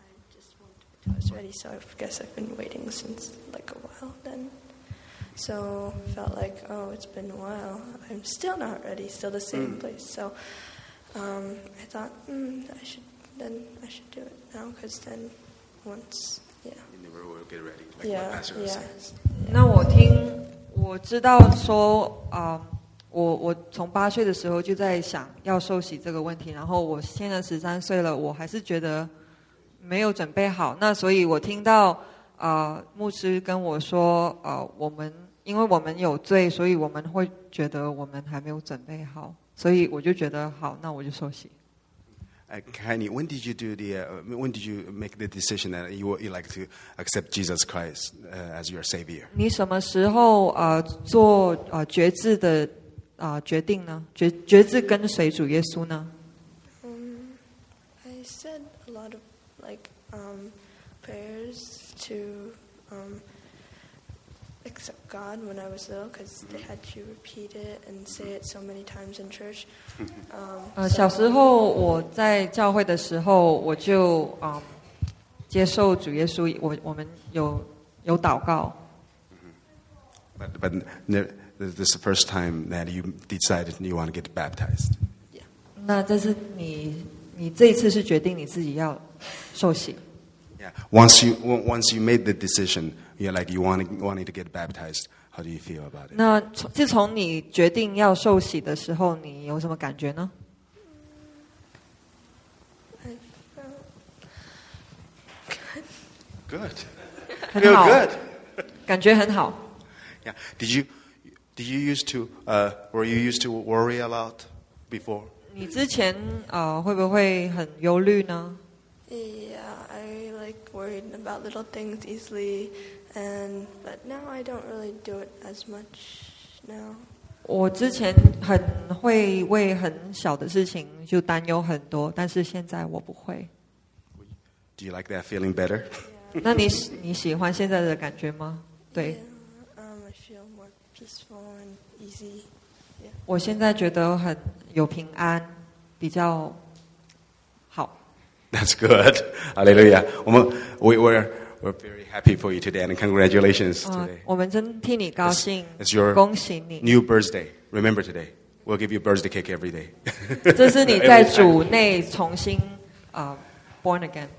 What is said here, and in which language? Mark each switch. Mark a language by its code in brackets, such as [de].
[en] Since I was ready, so I guess I've been waiting since like a while then. So felt like, oh, it's been a while. I'm still not ready. Still the same place. So I thought, I should do it now because then once, yeah. You never will get ready. Like yeah, what yeah. Yeah. [zh] 那我听，我知道说，我从八岁的时候就在想要受洗这个问题，然后我现在十三岁了，我还是觉得没有准备好。那所以我听到牧师跟我说，我们因为我们有罪，所以我们会觉得我们还没有准备好，所以我就觉得好，那我就受洗。 [en] Kenny, when did you do the? When did you make the decision that you like to accept Jesus Christ as your savior? [zh] 你什么时候做决志的决定呢？决志跟随主耶稣呢？ [en] I said a lot of like prayers to accept God when I was little because they had to repeat it and say it so many times in church. [zh] 小时候我在教会的时候，我就接受主耶稣，我们有祷告。 [en] But this is the first time that you decided you want to get baptized. Yeah. [zh] 那这是你这一次是决定你自己要受洗。 [en] Once you made the decision, you're like you wanting to get baptized. How do you feel about it? [zh] 那自从你决定要受洗的时候，你有什么感觉呢？ [en] I felt good. Good. Feel good. [zh] 感觉很好。 [en] Yeah. Did you used to were you used to worry a lot before? [zh] 你之前会不会很忧虑呢？ [en] Yeah, I like worried about little things easily, but now I don't really do it as much now. [zh] 我之前很会为很小的事情就担忧很多，但是现在我不会。 [en] Do you like that feeling better? Yeah. [zh] 那你喜欢现在的感觉吗？对。 [en] Yeah, I feel more peaceful and easy. Yeah. [zh] 我现在觉得很有平安，比较。 [en] That's good. Hallelujah. We're very happy for you today and congratulations today. [zh] 我们真替你高兴。 [en] It's your [zh] 恭喜你。 [en] New birthday. Remember today. We'll give you birthday cake every day. [zh] 这是你在主内重新 [en] born again.